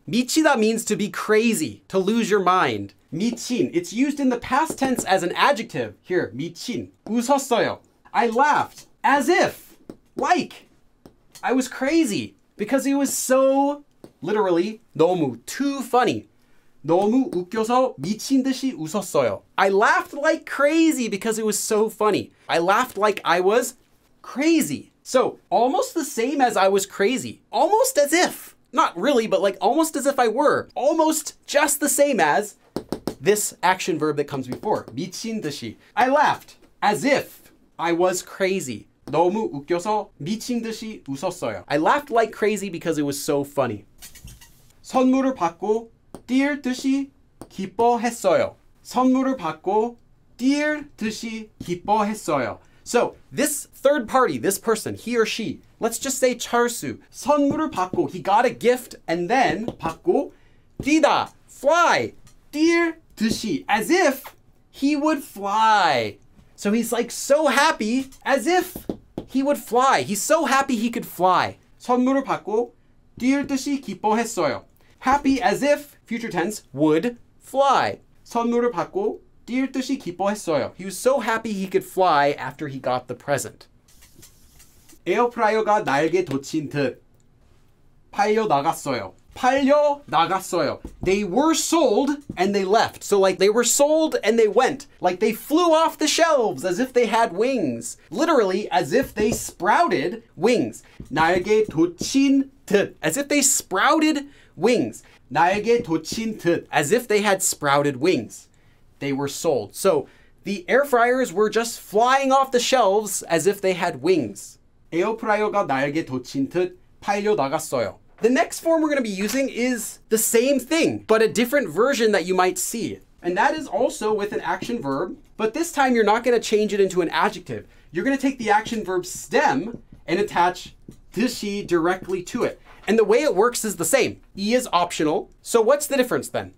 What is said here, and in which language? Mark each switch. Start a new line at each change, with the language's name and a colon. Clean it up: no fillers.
English: 미치다 means to be crazy, to lose your mind.
Korean: 미친.
English: It's used in the past tense as an adjective. Here, 미친.
Korean: 웃었어요.
English: I laughed. As if. Like. I was crazy. Because it was so, literally, 너무, too funny.
Korean: 너무 웃겨서 미친 듯이 웃었어요.
English: I laughed like crazy because it was so funny. I laughed like I was crazy. So, almost the same as I was crazy. Almost as if. Not really, but like almost as if I were. Almost just the same as this action verb that comes before.
Korean: 미친 듯이.
English: I laughed as if I was crazy.
Korean: 너무 웃겨서 미친 듯이 웃었어요.
English: I laughed like crazy because it was so funny.
Korean: 선물을 받고 뛸 듯이 기뻐했어요. 선물을 받고 뛸 듯이 기뻐했어요.
English: So this third party, this person, he or she, let's just say 철수.
Korean: 선물을 받고,
English: he got a gift, and then
Korean: 받고 뛰다,
English: fly,
Korean: 뛸 듯이,
English: as if he would fly. So he's like so happy, as if he would fly. He's so happy he could fly.
Korean: 선물을 받고 뛸 듯이 기뻐했어요.
English: Happy as if, future tense, would fly.
Korean: 선물을 받고 뛸 듯이 기뻐했어요.
English: He was so happy he could fly after he got the present.
Korean: 에어프라이어가 나에게 도친 듯 팔려 나갔어요. 팔려 나갔어요.
English: They were sold and they left. So like they were sold and they went. Like they flew off the shelves as if they had wings. Literally as if they sprouted wings.
Korean: 나에게 도친 듯.
English: As if they sprouted wings.
Korean: 나에게 도친 듯.
English: As if they had sprouted wings. They were sold. So the air fryers were just flying off the shelves as if they had wings.
Korean: 에어프라이어가 나에게 도친 듯 팔려 나갔어요.
English: The next form we're going to be using is the same thing, but a different version that you might see. And that is also with an action verb, but this time you're not going to change it into an adjective. You're going to take the action verb stem and attach 듯이 directly to it. And the way it works is the same. E is optional. So what's the difference then?